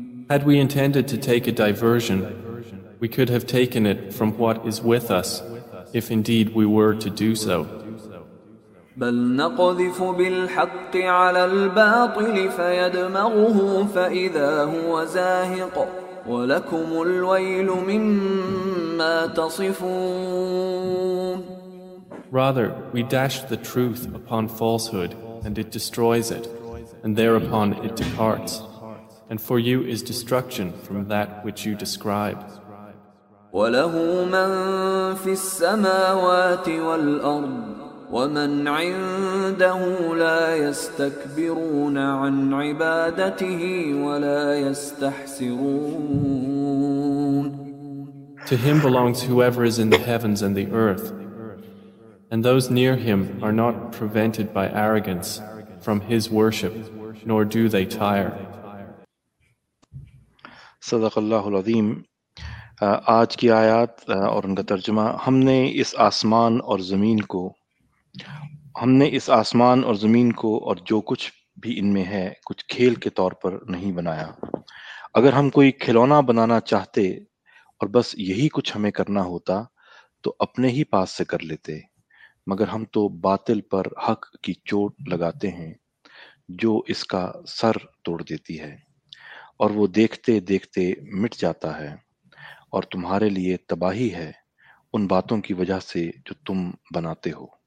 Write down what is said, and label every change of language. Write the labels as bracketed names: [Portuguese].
[English] Had we intended to take a diversion, we could have taken it from what is with us, if indeed we were to do so. [Arabic] بل نقذف بالحق على الباطل فيدمغه فإذا هو زاهق ولكم الويل مما تصفون. [English] Rather, we dash the truth upon falsehood and it destroys it, and thereupon it departs, and for you is destruction from that which you describe. [Arabic] وله من في السماوات والأرض وَمَنْ عِنْدَهُ لَا يَسْتَكْبِرُونَ عَنْ عِبَادَتِهِ وَلَا يَسْتَحْسِرُونَ. [English] To him belongs whoever is in the heavens and the earth, and those near him are not prevented by arrogance from his worship, nor do they tire. [Arabic] صدق الله العظيم. [Urdu] آج کی آیات اور ان کا ترجمہ. ہم نے اس آسمان اور زمین کو ہم نے اس آسمان اور زمین کو اور جو کچھ بھی ان میں ہے کچھ کھیل کے طور پر نہیں بنایا. اگر ہم کوئی کھلونا بنانا چاہتے اور بس یہی کچھ ہمیں کرنا ہوتا تو اپنے ہی پاس سے کر لیتے, مگر ہم تو باطل پر حق کی چوٹ لگاتے ہیں جو اس کا سر توڑ دیتی ہے اور وہ دیکھتے دیکھتے مٹ جاتا ہے, اور تمہارے لیے تباہی ہے ان باتوں کی وجہ سے جو تم بناتے ہو.